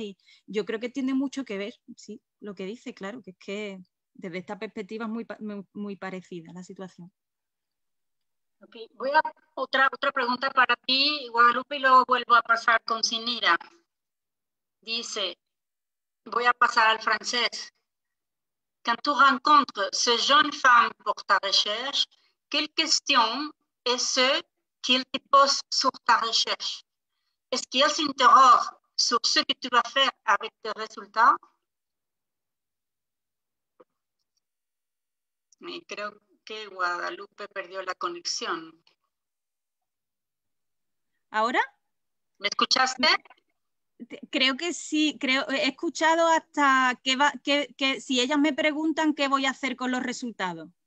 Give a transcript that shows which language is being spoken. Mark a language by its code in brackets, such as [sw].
[es] Y yo creo que tiene mucho que ver, sí, lo que dice, claro, que es que... Desde esta perspectiva es muy, muy parecida la situación. Okay. Voy a otra pregunta para ti, Guadalupe, y luego vuelvo a pasar con Sinira. Dice, voy a pasar al francés. [fr] Quand tu rencontres ces jeunes femmes pour ta recherche, quelle question est-ce qu'ils te posent sur ta recherche? Est-ce qu'ils s'interrogent sur ce que tu vas faire avec tes résultats? [es] Creo que Guadalupe perdió la conexión. ¿Ahora? ¿Me escuchaste? Creo que sí, creo, he escuchado hasta que, va, que si ellas me preguntan qué voy a hacer con los resultados.